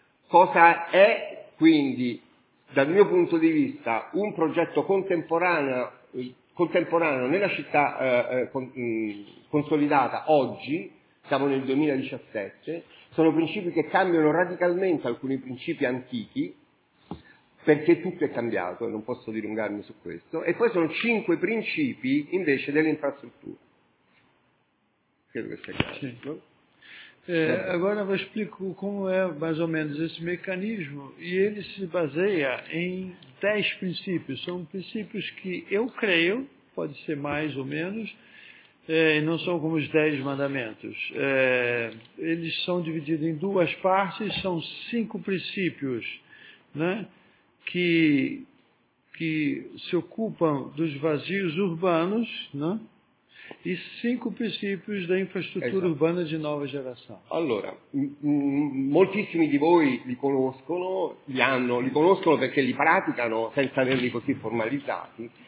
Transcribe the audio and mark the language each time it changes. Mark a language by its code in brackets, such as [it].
[it] Cosa è quindi, dal mio punto di vista, un progetto contemporaneo nella città consolidata oggi, siamo nel 2017, sono principi che cambiano radicalmente alcuni principi antichi, perché tutto è cambiato, e non posso dilungarmi su questo, e poi sono 5 principi invece dell'infrastruttura. Credo che sia chiaro, sì. No? [pt] Agora eu explico como é mais ou menos esse mecanismo, e ele se baseia em 10 princípios. São princípios que eu creio, pode ser mais ou menos, e não são como os 10 mandamentos. Eles são divididos em 2 partes, são 5 princípios, né, que se ocupam dos vazios urbanos, né? E 5 princípios da infraestrutura, [it] esatto, urbana di nuova generazione. Allora, moltissimi di voi li conoscono, li conoscono perché li praticano senza averli così formalizzati.